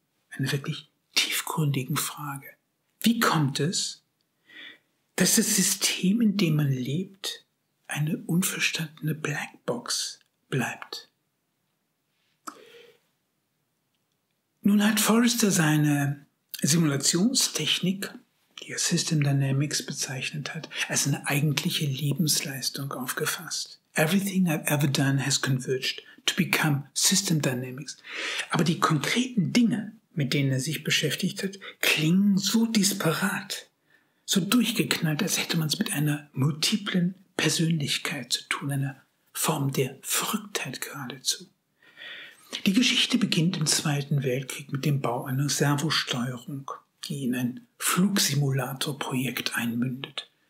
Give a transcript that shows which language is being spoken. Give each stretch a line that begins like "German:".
German: Eine wirklich tiefgründigen Frage. Wie kommt es, dass das System, in dem man lebt, eine unverstandene Blackbox bleibt? Nun hat Forrester seine Simulationstechnik die er System Dynamics bezeichnet hat, als eine eigentliche Lebensleistung aufgefasst.
English: Everything I've ever done has converged to become System Dynamics.
German: Aber die konkreten Dinge, mit denen er sich beschäftigt hat, klingen so disparat, so durchgeknallt, als hätte man es mit einer multiplen Persönlichkeit zu tun, einer Form der Verrücktheit geradezu. Die Geschichte beginnt im Zweiten Weltkrieg mit dem Bau einer Servosteuerung, die in ein Flugsimulator-Projekt einmündet.